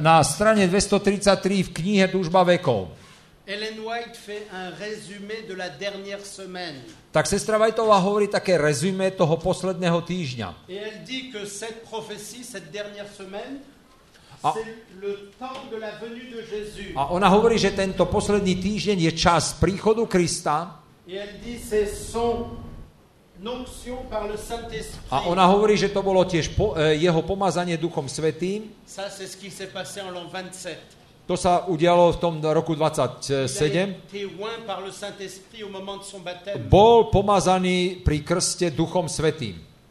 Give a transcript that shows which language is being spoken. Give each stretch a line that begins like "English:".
Slovak: Na strane 233 v knihe Túžba vekov.
French: Ellen White fait un résumé de la dernière semaine.
Slovak: Tak sestra Whiteová hovorí také rezume toho posledného týždňa.
French: Et elle dit que cette prophétie, cette dernière semaine, c'est le temps de la venue de Jésus.
Slovak: A ona hovorí, že tento posledný týždeň je čas príchodu Krista.
French: Et elle dit c'est son onction par le Saint-Esprit.
Slovak: A ona hovorí, že to bolo tiež jeho pomazanie Duchom Svätým.
French: Ça c'est ce qui s'est passé en l'an 27.
Slovak: To sa udialo v tom roku 27.
French: Témoin par le Saint-Esprit au moment de son baptême.
Slovak: Bol pomazaný pri krste Duchom Svätým.